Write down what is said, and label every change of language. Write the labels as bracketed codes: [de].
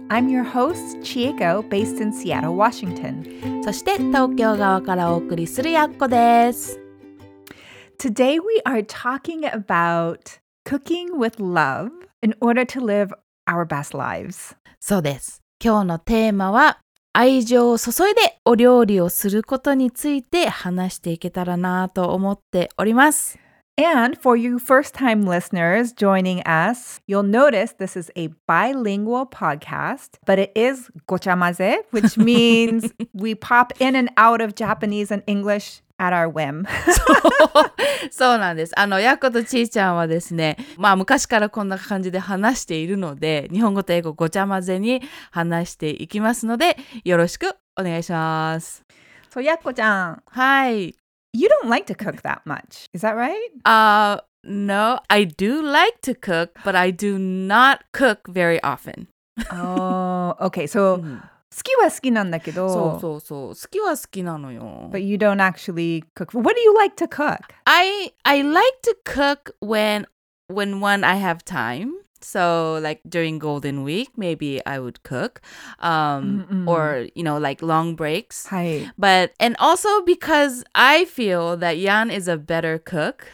[en] I'm your host, Chieko, based in Seattle, Washington. [ja] そして東京側からお送りするやっこです。 [en] Today we are talking about cooking with love in order to live our best lives. [ja] そうです。今日のテーマは愛情を注いでお料理をすることについて話していけたらなと思っております。 [en] And for you first-time listeners joining us, you'll notice this is a bilingual podcast, but it is gochamaze, which means we pop in and out of Japanese and English at our whim. [ja] そうなんです。やっことちーちゃんはですね、まあ昔からこんな感じで話しているので、日本語と英語ごちゃ混ぜに話していきますので、よろしくお願いします。 [en] So, [ja] やっこちゃん。はい。 [en] You don't like to cook that much. Is that right? No, I do like to cook, but I do not cook very often. Oh, okay. So, [ja] 好きは好きなんだけど。そうそうそう。好きは好きなのよ。 [en] But you don't actually cook. What do you like to cook? I like to cook when I have time. So, like during Golden Week, maybe I would cook. Or, you know, like long breaks. But, and also because I feel that Yan is a better cook.